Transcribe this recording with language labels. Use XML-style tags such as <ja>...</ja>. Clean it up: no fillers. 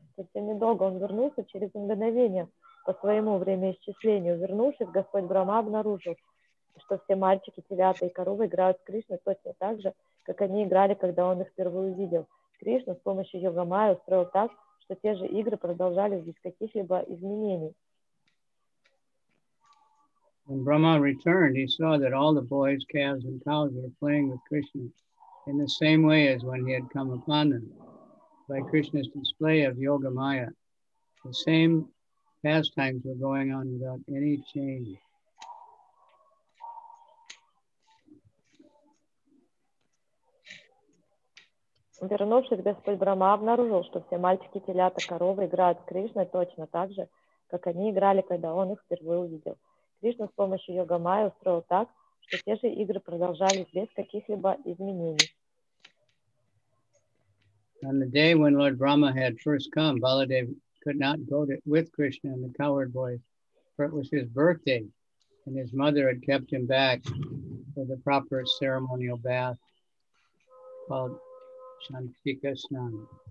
<ru>Совсем недолго он вернулся через мгновение по своему времяисчислению. Вернувшись, Господь Брахма обнаружил, что все мальчики, телята и коровы играют с Кришной точно так же, как они играли, когда он их впервые увидел. Кришна с помощью йога майи устроил так, что те же игры продолжались без каких-либо изменений.</ru> <en>When Brahma returned, he saw that all the boys, calves, and cows were playing with Krishna in the same way as when he had come upon them. By Krishna's display of yoga maya, the same pastimes were going on without any change.</en> <ru>Вернувшись, Господь Брахма обнаружил, что все мальчики, телята, коровы играют с Кришной точно так же, как они играли, когда он их впервые увидел. Кришна с помощью йога майи устроил так, что те же игры продолжались без каких-либо изменений.</ru> <en>On the day when Lord Brahma had first come, Baladev could not go with Krishna and the coward boys, for it was his birthday, and his mother had kept him back for the proper ceremonial bath called Shantika Snan.</en>